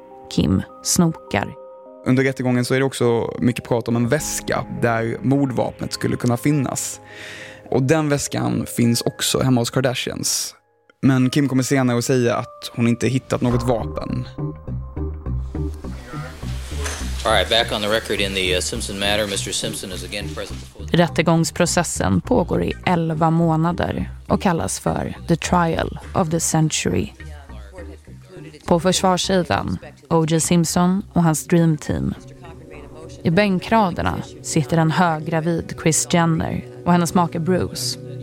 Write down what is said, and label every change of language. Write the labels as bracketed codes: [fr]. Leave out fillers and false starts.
[sv] Kim snokar. Under rättegången så är det också mycket prat om en väska där mordvapnet skulle kunna finnas. Och den väskan finns också hemma hos Kardashians. Men Kim kommer senare att säga att hon inte hittat något vapen. [en] All right, back on the record in the Simpson matter. Mr. Simpson is again present before... [sv] Rättegångsprocessen pågår i 11 månader och kallas för The Trial of the Century. På försvarssidan, O.J. Simpson och hans dream team. I bänkraderna sitter en höggravid Kris Jenner och hennes make Bruce.